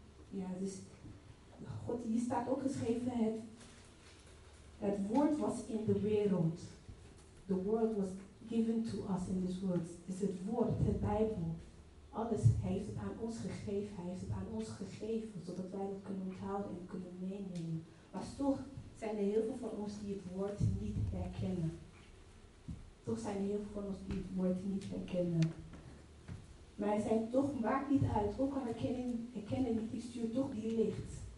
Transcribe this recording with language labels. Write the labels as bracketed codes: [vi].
[nl] Ja, dus God, hier staat ook geschreven, het woord was in de wereld. [en] The world was given to us in this world. [nl] Is het woord, de Bijbel. Alles heeft het aan ons gegeven. Hij heeft het aan ons gegeven, zodat wij het kunnen onthouden en kunnen meenemen. Maar toch zijn er heel veel van ons die het woord niet herkennen. Toch zijn er heel veel van ons die het woord niet herkennen. Maar hij zei toch, maakt niet uit, ook al herkennen niet, ik stuur toch die licht.